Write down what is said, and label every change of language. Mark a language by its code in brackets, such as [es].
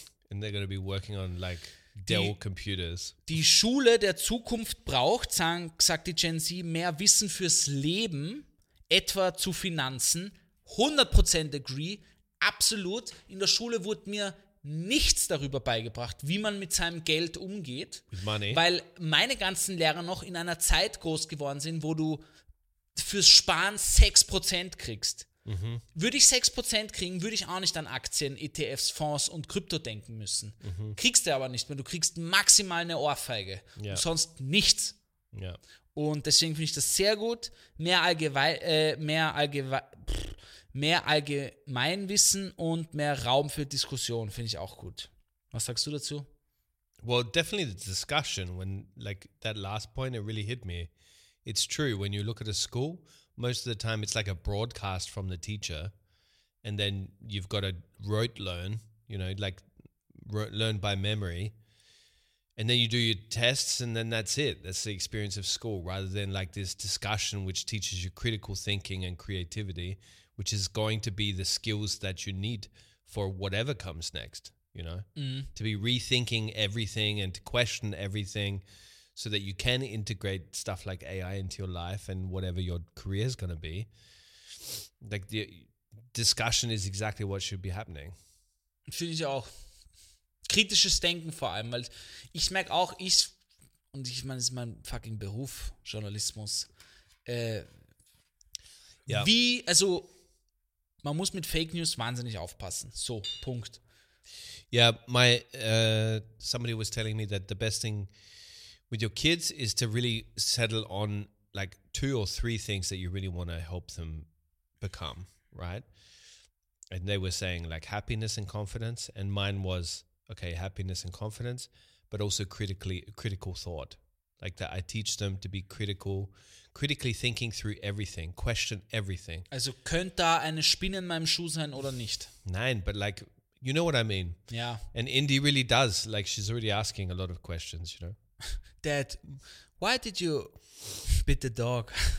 [en] And they're going to be working on like Dell computers. [de] Die Schule der Zukunft braucht, sagt die Gen Z, mehr Wissen fürs Leben, etwa zu Finanzen. [en] 100% agree, [de] absolut. In der Schule wurde mir nichts darüber beigebracht, wie man mit seinem Geld umgeht. [en] Money. [de] Weil meine ganzen Lehrer noch in einer Zeit groß geworden sind, wo du fürs Sparen 6% kriegst. Mhm. Würde ich 6% kriegen, würde ich auch nicht an Aktien, ETFs, Fonds und Krypto denken müssen. Mhm. Kriegst du aber nicht mehr. Du kriegst maximal eine Ohrfeige. Ja. Und sonst nichts. Ja. Und deswegen finde ich das sehr gut. Mehr Allgemeinwissen und mehr Raum für Diskussion finde ich auch gut. Was sagst du dazu? [en] Well, definitely the discussion. When, like, that last point, it really hit me. It's true. When you look at a school, most of the time it's like a broadcast from the teacher. And then you've got to rote learn, you know, like learn by memory. And then you do your tests and then that's it. That's the experience of school rather than like this discussion which teaches you critical thinking and creativity, which is going to be the skills that you need for whatever comes next, you know? Mm. To be rethinking everything and to question everything so that you can integrate stuff like AI into your life and whatever your career is going to be. Like, the discussion is exactly what should be happening. [de] Finde ich auch. Kritisches Denken vor allem, weil ich merke auch, ich, und ich meine, es ist mein fucking Beruf, Journalismus. [en] Yeah. [de] Wie, also, man muss mit Fake News wahnsinnig aufpassen. So, Punkt. [en] Yeah, my somebody was telling me that the best thing with your kids is to really settle on like two or three things that you really want to help them become, right? And they were saying like happiness and confidence, and mine was okay, happiness and confidence, but also critical thought. Like that I teach them to be critically thinking through everything, question everything. [de] Also könnte da eine Spinne in meinem Schuh sein oder nicht? [en] Nein, but like, you know what I mean. Yeah. And Indy really does. Like, she's already asking a lot of questions, you know. Dad, why did you bit the dog?